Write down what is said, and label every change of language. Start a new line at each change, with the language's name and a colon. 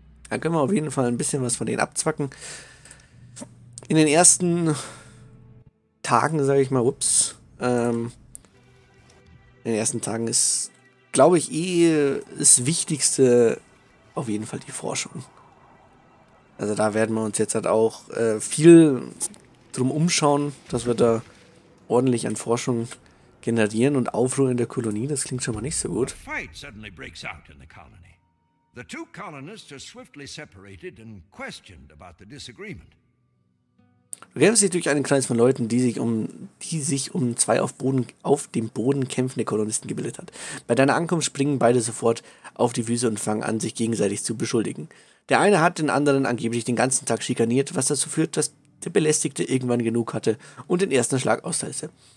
German: Da können wir auf jeden Fall ein bisschen was von denen abzwacken. In den ersten Tagen, sage ich mal, ups, in den ersten Tagen ist, glaube ich, eh das Wichtigste auf jeden Fall die Forschung. Also da werden wir uns jetzt halt auch viel drum umschauen, dass wir da ordentlich an Forschung generieren und Aufruhr in der Kolonie. Das klingt schon mal nicht so gut.
English: A fight suddenly breaks out in the colony. The two colonists are swiftly separated and questioned about the disagreement.
German: Du kämpfst dich durch einen Kreis von Leuten, die sich um zwei auf dem Boden kämpfende Kolonisten gebildet hat. Bei deiner Ankunft springen beide sofort auf die Füße und fangen an, sich gegenseitig zu beschuldigen. Der eine hat den anderen angeblich den ganzen Tag schikaniert, was dazu führt, dass der Belästigte irgendwann genug hatte und den ersten Schlag austeilte.